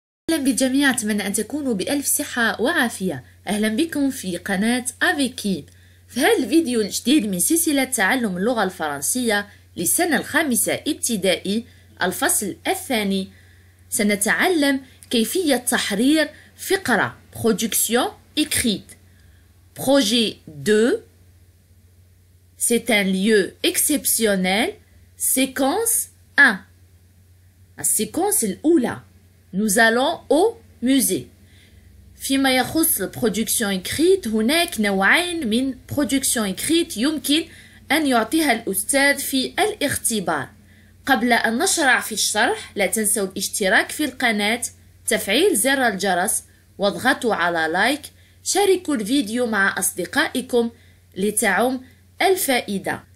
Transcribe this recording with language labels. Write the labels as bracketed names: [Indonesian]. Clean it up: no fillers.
[Arabic] أهلا بالجميع، أتمنى أن تكونوا بألف صحة وعافية. أهلا بكم في قناة أفيكي. في هذا الفيديو الجديد من سلسلة تعلم اللغة الفرنسية للسنة الخامسة ابتدائي الفصل الثاني، سنتعلم كيفية تحرير فقرة [French] production écrite. Projet 2. C'est un lieu exceptionnel. Séquence 1. La séquence [Arabic] الأولى. [French] Nous allons au musée. [Arabic] فيما يخص البرودكسيون إكريت، هناك نوعين من برودكسيون إكريت يمكن أن يعطيها الأستاذ في الاختبار. قبل أن نشرع في الشرح، لا تنسوا الاشتراك في القناة، تفعيل زر الجرس، واضغطوا على لايك، شاركوا الفيديو مع أصدقائكم لتعم الفائدة.